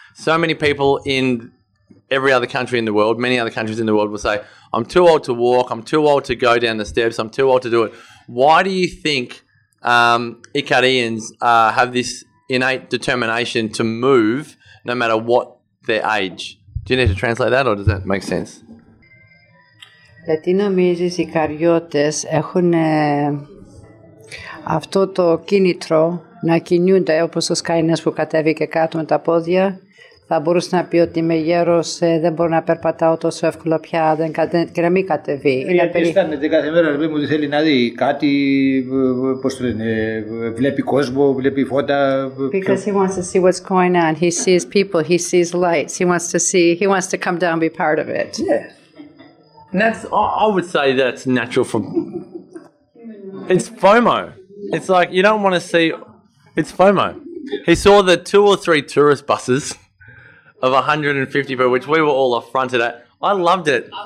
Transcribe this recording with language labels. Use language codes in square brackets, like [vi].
[en] So many people in every other country in the world, many other countries in the world will say, "I'm too old to walk, I'm too old to go down the steps, I'm too old to do it." Why do you think Ikarians have this innate determination to move no matter what their age? Do you need to translate that or does that make sense? [el] Γιατί νομίζεις οι καριώτες έχουν αυτό το κίνητρο να κινούνται όπως ο Σκαϊνές που κατέβηκε κάτω με τα πόδια. Θα μπορούσε να πει ότι είμαι γέρος, δεν μπορώ να περπατάω τόσο εύκολα πια και να μην κατεβεί. Αισθάνεται κάθε μέρα ρε, μου ότι θέλει να δει κάτι, πώς το λένε, βλέπει κόσμο, βλέπει φώτα. [en] Because he wants to see what's going on. He sees people, he sees lights. He wants to come down and be part of it. Yeah. I would say that's natural for, it's FOMO. It's like, you don't want to see, it's FOMO. He saw the two or three tourist buses of 150 people, which we were all affronted at. I loved it.